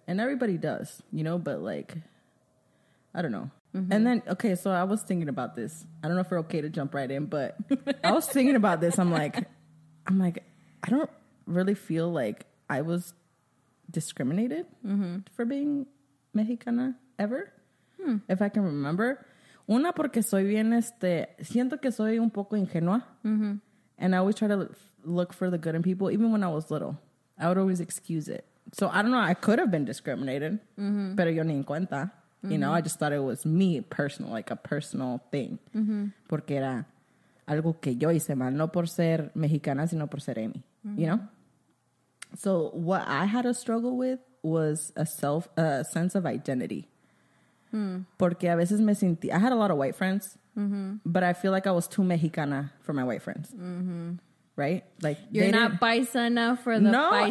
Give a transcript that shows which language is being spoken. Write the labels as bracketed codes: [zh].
[en] And everybody does, you know, but, like, I don't know. Mm-hmm. And then, okay, so I was thinking about this. I don't know if we're okay to jump right in, but I was thinking about this. I'm like, I don't really feel like I was discriminated mm-hmm. for being Mexicana ever, if I can remember. [es] Una, porque soy bien, siento que soy un poco ingenua. Mm-hmm. [en] And I always try to look for the good in people, even when I was little. I would always excuse it. So, I don't know. I could have been discriminated. Mm-hmm. [es] Pero yo ni en cuenta. [en] Mm-hmm. You know, I just thought it was me personal, like a personal thing. [es] Mm-hmm. Porque era algo que yo hice mal. No por ser Mexicana, sino por ser Amy. [en] Mm-hmm. You know? So, what I had a struggle with was a sense of identity. Mm-hmm. [es] Porque a veces me sentí... [en] I had a lot of white friends. Mm-hmm. But I feel like I was too Mexicana for my white friends. Mm-hmm. Right? Like, you're not paisa enough for the paisas.